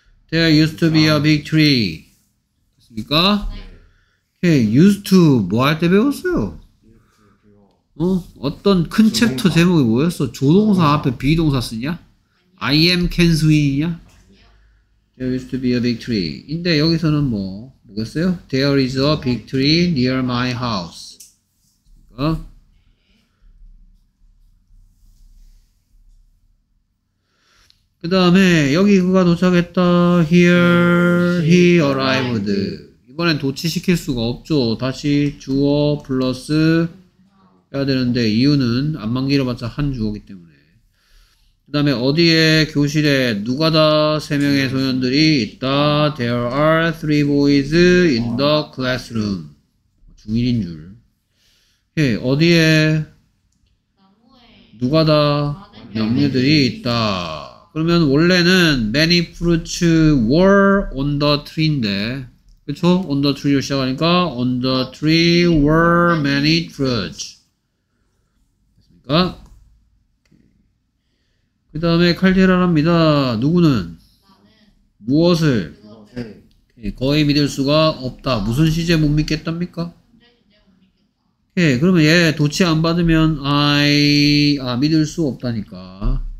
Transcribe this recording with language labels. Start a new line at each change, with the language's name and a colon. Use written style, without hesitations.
English: There used to be a big tree.
Korean: 됐습니까? 예, hey, used to 뭐 할 때 배웠어요? 어? 어떤 큰 조동사. 챕터 제목이 뭐였어? 조동사 앞에 비동사 쓰냐?
English: I am can swing이냐? There used to be a big tree.
Korean: 근데 여기서는 뭐 뭐였어요?
English: There is a big tree near my house.
Korean: 어? 그 다음에 여기 그가 도착했다.
English: Here he arrived.
Korean: 이번엔 도치시킬 수가 없죠. 다시 주어 플러스 해야 되는데 이유는 안만 길어봤자 한 주어이기 때문에. 그 다음에 어디에 교실에 누가 다 세 명의 소년들이 있다.
English: There are three boys in the classroom.
Korean: 중1인 줄. 예, 어디에 누가 다 나무들이 있다. 그러면 원래는
English: many fruits were on the tree인데
Korean: 그쵸?
English: On the tree로
Korean: 시작하니까
English: On the tree were many fruits.
Korean: 됐습니까? 그 다음에 칼테라랍니다. 누구는? 나는 무엇을? 오케이. 거의 믿을 수가 없다. 무슨 시제 못 믿겠답니까? 오케이. 그러면 얘 도치 안 받으면 믿을 수 없다니까.